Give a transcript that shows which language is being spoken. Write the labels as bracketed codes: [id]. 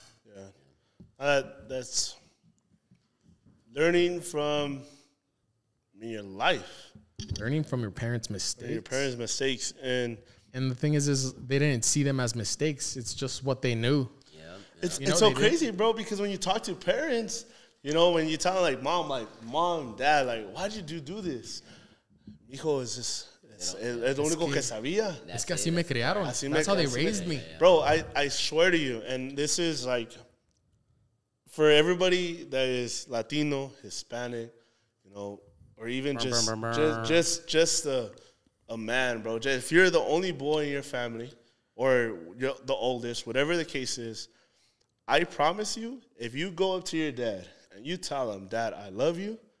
[en] Yeah. That's learning from your life. Learning from your parents' mistakes. Your parents' mistakes. And the thing is they didn't see them as mistakes. It's just what they knew. Yeah. It's so crazy, bro, because when you talk to parents, you know, when you tell them, like, mom, dad, like, why'd you do this? [es] Hijo, es just, es lo único que sabía. Es que así me criaron. [en] That's how they raised me. Bro, I swear to you, and this is, like, for everybody that is Latino, Hispanic, you know, or even just a man, bro. Just, if you're the only boy in your family, or you're the oldest, whatever the case is, I promise you, if you go up to your dad, and you tell him, Dad, I love you.